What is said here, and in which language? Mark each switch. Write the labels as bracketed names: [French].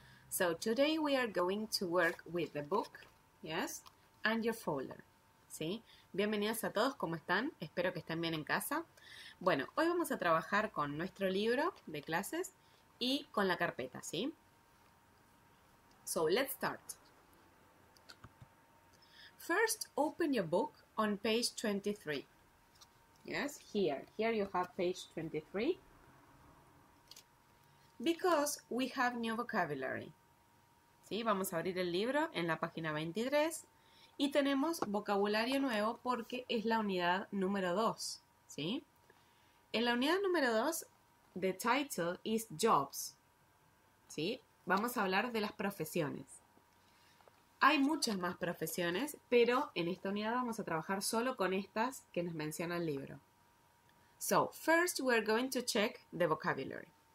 [English] So today we are going to work with the book, yes, and your folder, ¿sí? [Spanish] Bienvenidos a todos, ¿cómo están? Espero que estén bien en casa. Bueno, hoy vamos a trabajar con nuestro libro de clases y con la carpeta, ¿sí? [English] So let's start. First, open your book on page 23. Yes, here you have page 23. Because we have new vocabulary. ¿Sí? [Spanish] Vamos a abrir el libro en la página 23 y tenemos vocabulario nuevo porque es la unidad número 2. ¿Sí? En la unidad número 2, [English] the title is jobs. [Spanish] ¿Sí? Vamos a hablar de las profesiones. Hay muchas más profesiones, pero en esta unidad vamos a trabajar solo con estas que nos menciona el libro. [English] So, first we're going to check the vocabulary.